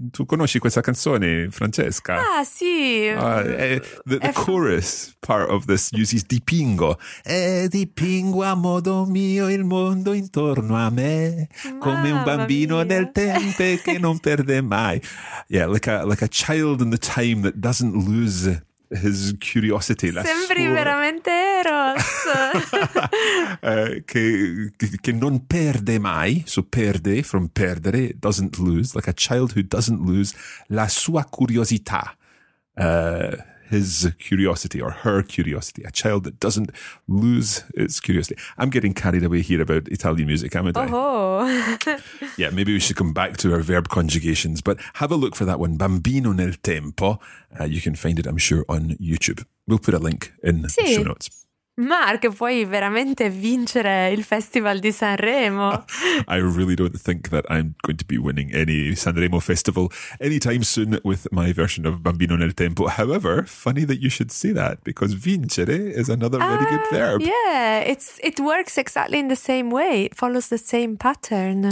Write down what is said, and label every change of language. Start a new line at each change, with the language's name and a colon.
Italian: Tu conosci questa canzone, Francesca? Ah, sì.
English: The chorus part of this uses dipingo.
Italian: E dipingo a modo mio il mondo intorno a me, come un bambino nel tempo che non perde mai.
English: Yeah, like a child in the time that doesn't lose... his curiosity.
Italian: Sembri veramente Eros. che non perde mai,
English: so perde from perdere, doesn't lose, like a child who doesn't lose
Italian: la sua curiosità,
English: his curiosity or her curiosity, a child that doesn't lose its curiosity. I'm getting carried away here about Italian music, am I? Oh. Yeah, maybe we should come back to our verb conjugations, but have a look for that one, Bambino nel tempo. You can find it, I'm sure, on YouTube. We'll put a link in the show notes.
Italian: Mark, puoi veramente vincere il Festival di Sanremo?
English: I really don't think that I'm going to be winning any Sanremo Festival anytime soon with my version of Bambino nel Tempo. However, funny that you should say that, because vincere is another very good verb. Yeah, it works exactly in the same way. It follows the same pattern.